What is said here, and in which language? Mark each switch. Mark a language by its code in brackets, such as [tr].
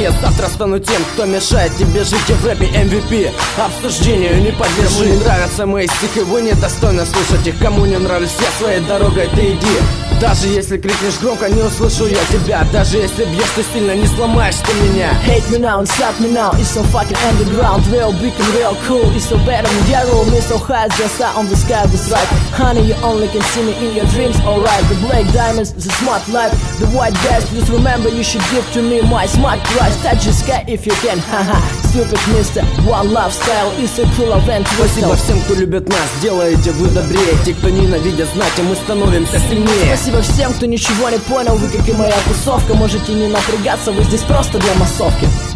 [ru] Я завтра стану тем, кто мешает тебе жить. Я в рэпе MVP, обсуждению не подлежу. Мне нравятся мои стихи, вы недостойны слушать их. Кому не нравлюсь я, своей дорогой ты иди. Даже если крикнешь громко, не услышу я тебя. Даже если бьешь, ты сильно не сломаешь ты меня. [en] Hate me now, insult me now, it's so fucking underground. Real big and real cool, it's so better than your room. It's so high, just high on the sky, that's right. Honey, you only can see me in your dreams, alright. The black diamonds, the smart life. The white guys, please remember you should give to me my smart price. Touch the sky if you can, haha. Stupid mister, one love style, it's so cool event. [ru] Спасибо всем, кто любит нас, делаете вы добрее. Те, кто ненавидят, знать, а мы становимся сильнее. Спасибо всем, кто ничего не понял, вы как и моя тусовка. Можете не напрягаться, вы здесь просто для массовки.